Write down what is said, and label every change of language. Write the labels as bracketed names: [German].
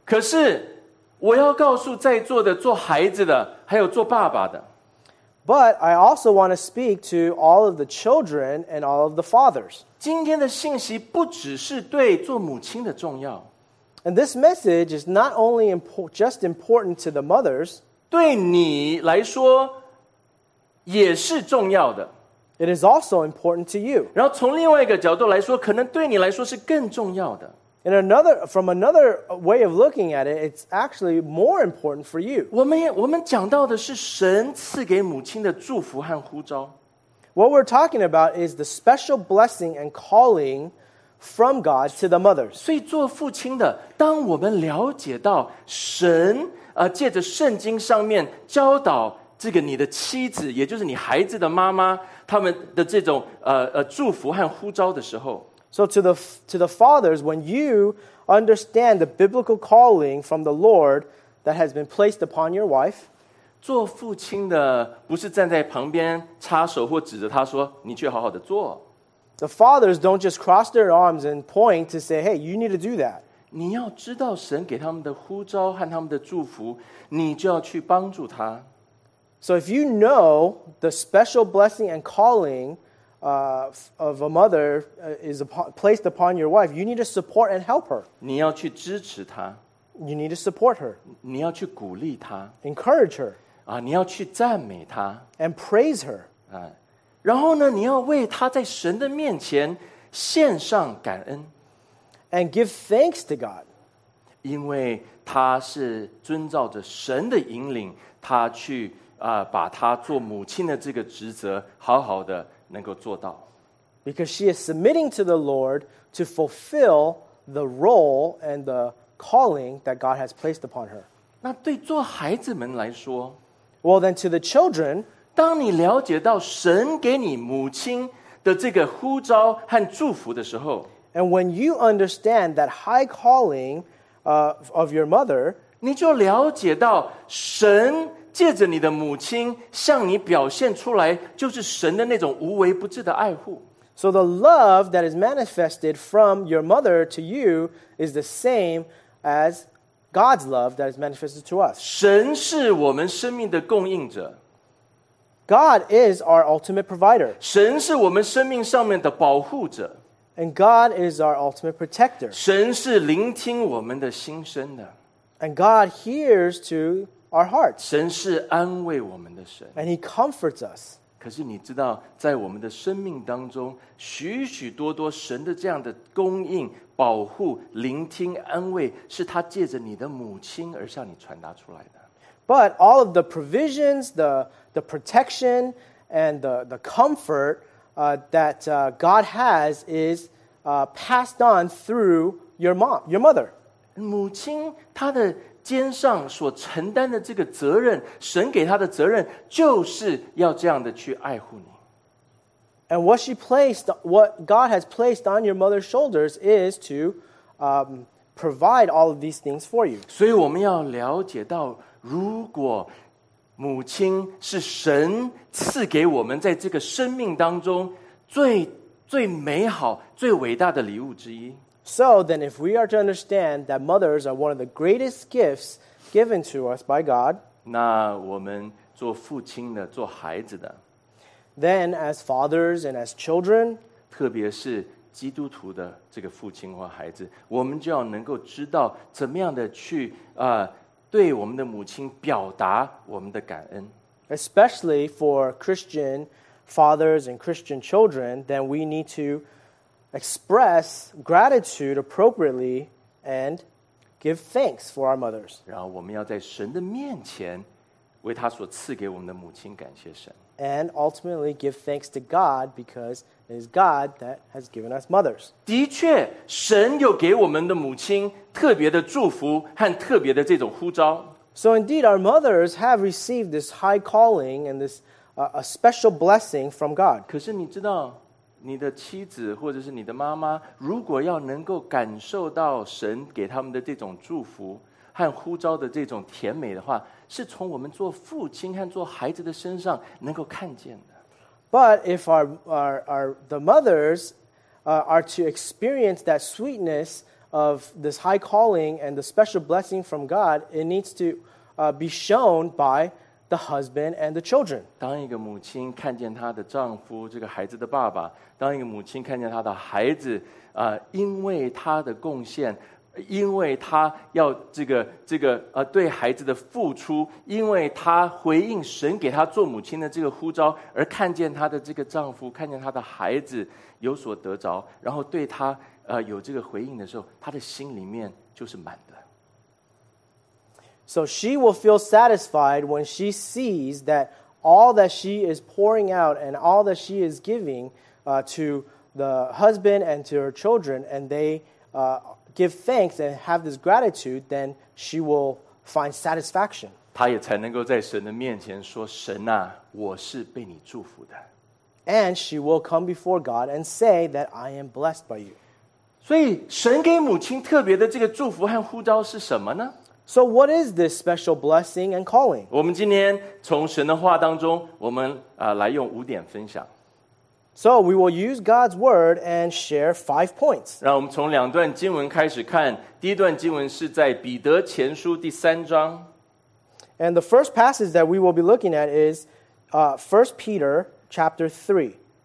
[Chinese] 可是我要告诉在座的做孩子的还有做爸爸的。 [English] But I also want to speak to all of the children and all of the fathers. [Chinese] 今天的信息不只是对做母亲的重要。 [English] And this message is not only just important to the mothers. [Chinese] 对你来说也是重要的。 [English] It is also important to you. [Chinese] 然后从另外一个角度来说可能对你来说是更重要的。 [English] And another, from another way of looking at it, it's actually more important for you. [Chinese] 我们讲到的是神赐给母亲的祝福和呼召。 [English] What we're talking about is the special blessing and calling from God to the mothers. [Chinese] 所以做父亲的，当我们了解到神，借着圣经上面教导这个你的妻子，也就是你孩子的妈妈，他们的这种祝福和呼召的时候。 [English] So to the fathers, when you understand the biblical calling from the Lord that has been placed upon your wife, [Chinese] 做父亲的不是站在旁边插手或指着他说你去好好的做。 [English] The fathers don't just cross their arms and point to say, hey, you need to do that. [Chinese] 你要知道神给他们的呼召和他们的祝福，你就要去帮助他。 [English] So if you know the special blessing and calling of a mother is placed upon your wife, you need to support and help her. [Chinese] 你要去支持她。 [English] You need to support her. [Chinese] 你要去鼓励她。 [English] Encourage her. [Chinese] 你要去赞美她。 [English] And praise her. [Chinese] 然后呢，你要为她在神的面前献上感恩。 [English] And give thanks to God. [Chinese] 因为她是遵照着神的引领，她去把她做母亲的这个职责好好的能够做到。 [English] Because she is submitting to the Lord to fulfill the role and the calling that God has placed upon her. [Chinese] 那对做孩子们来说， [English] Well then to the children, [Chinese] 当你了解到神给你母亲的这个呼召和祝福的时候， [English] And when you understand that high calling of your mother, [Chinese] 你就了解到神借着你的母亲向你表现出来就是神的那种无微不至的爱护。 [English] So the love that is manifested from your mother to you is the same as God's love that is manifested to us. [Chinese] 神是我们生命的供应者。 [English] God is our ultimate provider. [Chinese] 神是我们生命上面的保护者。 [English] And God is our ultimate protector. [Chinese] 神是聆听我们的心声的。 [English] And God hears to our hearts. [Chinese] 神是安慰我们的神。 [English] And he comforts us. [Chinese] 可是你知道在我们的生命当中许许多多神的这样的供应保护聆听安慰是他借着你的母亲而向你传达出来的。 [English] But all of the provisions, the protection, and the comfort that God has is passed on through your mom, your mother. [Chinese] 母亲她的肩上所承担的这个责任，神给他的责任，就是要这样的去爱护你。 [English] And what she placed, what God has placed on your mother's shoulders is to provide all of these things for you. [Chinese] 所以我们要了解到，如果母亲是神赐给我们在这个生命当中最最美好、最伟大的礼物之一。 [English] So then if we are to understand that mothers are one of the greatest gifts given to us by God, [Chinese] 那我们做父亲的，做孩子的， [English] then as fathers and as children, [Chinese] 特别是基督徒的这个父亲或孩子，我们就要能够知道怎么样的去对我们的母亲表达我们的感恩。 [English] Especially for Christian fathers and Christian children, then we need to express gratitude appropriately and give thanks for our mothers. [Chinese] 然后我们要在神的面前为他所赐给我们的母亲感谢神。 [English] And ultimately give thanks to God because it is God that has given us mothers. [Chinese] 的确，神有给我们的母亲特别的祝福和特别的这种呼召。 [English] So indeed, our mothers have received this high calling and this a special blessing from God. [Chinese] 可是你知道你的妻子或者是你的妈妈如果要能够感受到神给他们的这种祝福和呼召的这种甜美的话是从我们做父亲和做孩子的身上能够看见的。 [English] But if our the mothers are to experience that sweetness of this high calling and the special blessing from God, it needs to be shown by the husband and the children. [Chinese] 当一个母亲看见她的丈夫，这个孩子的爸爸，当一个母亲看见她的孩子，因为她的贡献，因为她要这个对孩子的付出，因为她回应神给她做母亲的这个呼召，而看见她的这个丈夫，看见她的孩子有所得着，然后对她有这个回应的时候，她的心里面就是满的。 [English] So she will feel satisfied when she sees that all that she is pouring out and all that she is giving to the husband and to her children, and they give thanks and have this gratitude, then she will find satisfaction. [Chinese] 她也才能够在神的面前说，神啊，我是被你祝福的。 [English] And she will come before God and say that I am blessed by you. [Chinese] 所以神给母亲特别的这个祝福和呼召是什么呢？ [English] So what is this special blessing and calling? [Chinese] 我们今天从神的话当中，我们来用五点分享。 [English] So we will use God's word and share 5 points. [Chinese] 让我们从两段经文开始看。第一段经文是在彼得前书第三章。 [English] And the first passage that we will be looking at is 1 Peter chapter 3.